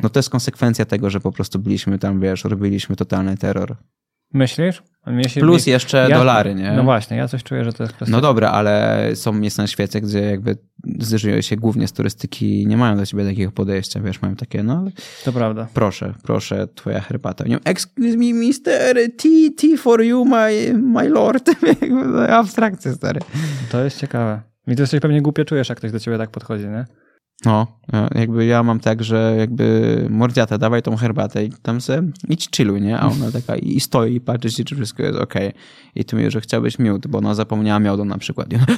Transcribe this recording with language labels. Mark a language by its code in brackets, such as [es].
[pl] No to jest konsekwencja tego, że po prostu byliśmy tam, wiesz, robiliśmy totalny terror. Myślisz? Plus jeszcze ja, dolary, nie? No właśnie, ja coś czuję, że to jest kwestia. No dobra, ale są miejsca na świecie, gdzie jakby zżyją się głównie z turystyki i nie mają do ciebie takiego podejścia, wiesz, mają takie, no... To prawda. Proszę, twoja herbata. [en] Excuse me, mister, tea for you, my lord. [pl] Abstrakcje, stary. To jest ciekawe. I to coś pewnie głupie czujesz, jak ktoś do ciebie tak podchodzi, nie? No, jakby ja mam tak, że jakby mordziata, dawaj tą herbatę i tam se idź chilluj, nie? A ona taka i stoi i patrzy się, czy wszystko jest okej. Okay. I ty mówisz, że chciałbyś miód, bo ona zapomniała miodu na przykład.